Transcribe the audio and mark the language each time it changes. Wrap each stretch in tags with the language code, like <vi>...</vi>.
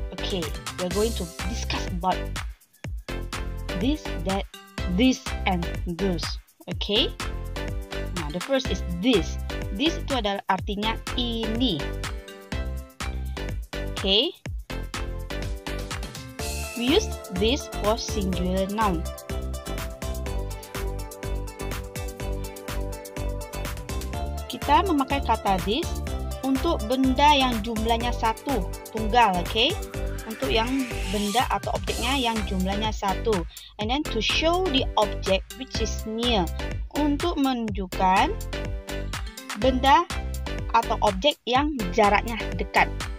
<en>Okay, we are going to discuss about this, that, this, and those. Okay? Nah, the first is this.</en> <id>This itu adalah artinya ini.</id> <en>Okay? We use this for singular noun.</en> <id>Kita memakai kata this untuk benda yang jumlahnya satu, tunggal, okay? Untuk yang benda atau objeknya yang jumlahnya satu.</id> <en>And then to show the object which is near.</en> <id>Untuk menunjukkan benda atau objek yang jaraknya dekat.</id>